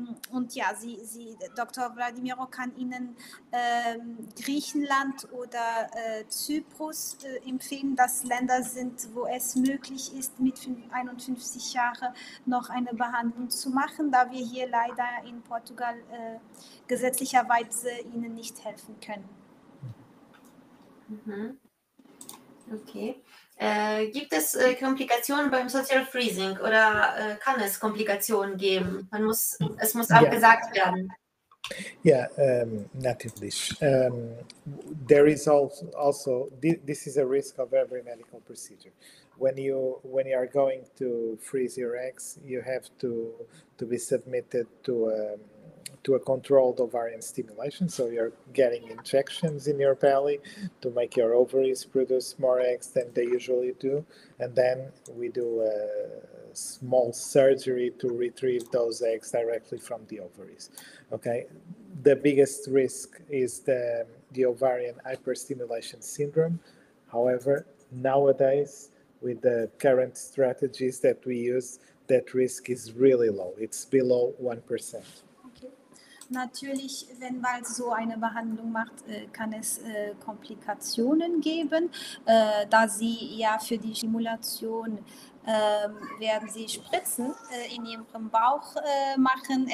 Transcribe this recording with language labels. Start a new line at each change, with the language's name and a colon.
German: Und ja, Sie, Dr. Vladimiro, kann Ihnen Griechenland oder Zypern empfehlen, dass Länder sind, wo es möglich ist, mit 51 Jahren noch eine Behandlung zu machen, da wir hier leider in Portugal gesetzlicherweise Ihnen nicht helfen können. Okay. Gibt es Komplikationen beim Social Freezing oder kann es Komplikationen geben? Es muss abgesagt werden. Yeah, natürlich.
English: There is also this is a risk of every medical procedure. When you are going to freeze your eggs, you have to be submitted to a controlled ovarian stimulation. So you're getting injections in your belly to make your ovaries produce more eggs than they usually do, and then we do a small surgery to retrieve those eggs directly from the ovaries. Okay, the biggest risk is the ovarian hyperstimulation syndrome. However, nowadays, with the current strategies that we use, that risk is really low. It's below 1%.
German: Natürlich, wenn man so eine Behandlung macht, kann es Komplikationen geben, da sie ja für die Stimulation werden sie Spritzen in ihrem Bauch machen.